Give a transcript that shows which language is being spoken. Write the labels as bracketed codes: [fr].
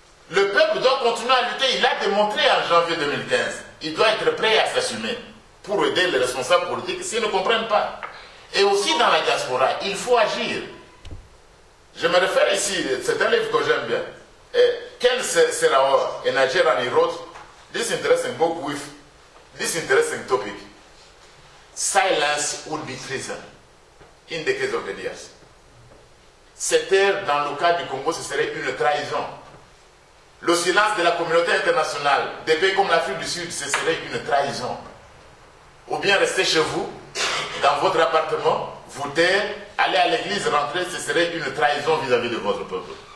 [fr] Le peuple doit continuer à lutter. Il l'a démontré en janvier 2015. Il doit être prêt à s'assumer pour aider les responsables politiques s'ils ne comprennent pas. Et aussi dans la diaspora, il faut agir. Je me réfère ici, c'est un livre que j'aime bien. [en] Et Ken Serraor, [fr] un Nigerian, il [en] wrote this interesting book with this interesting topic. Silence would be treason in the case of the DRC. [fr] Se taire dans le cas du Congo, ce serait une trahison. Le silence de la communauté internationale, des pays comme l'Afrique du Sud, ce serait une trahison. Ou bien rester chez vous, dans votre appartement, vous taire, aller à l'église, rentrer, ce serait une trahison vis-à-vis de votre peuple.